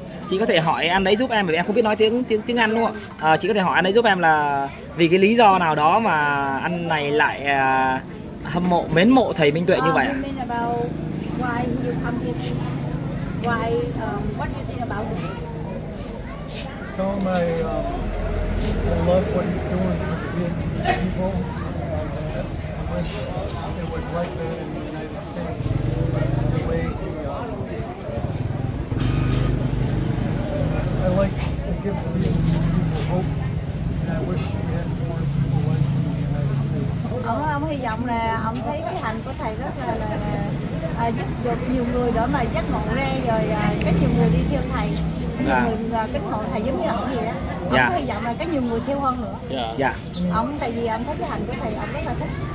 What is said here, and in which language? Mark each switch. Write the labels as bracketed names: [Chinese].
[Vietnamese] chị có thể hỏi anh ấy giúp em, bởi vì em không biết nói tiếng tiếng tiếng Anh đúng không ạ? Chị có thể hỏi anh ấy giúp em là vì cái lý do nào đó mà anh này lại hâm mộ, mến mộ thầy Minh Tuệ như vậy ạ? [English] Why you come here? Why, what do you think about it? Tell him I love what he's doing for the people. I wish it was like that in the United States. The way he, I like, it gives the people hope. And I wish he had more people like him in the United States. [Vietnamese] Ông hy vọng là ông thấy cái hành của thầy rất là giúp được nhiều người đó mà giác ngộ ra rồi có nhiều người đi theo thầy, nhiều người kính hộ thầy giống như ông vậy đó. Ông hy vọng là có nhiều người theo hơn nữa. Ông tại vì ông thích cái hành của thầy, ông rất là thích.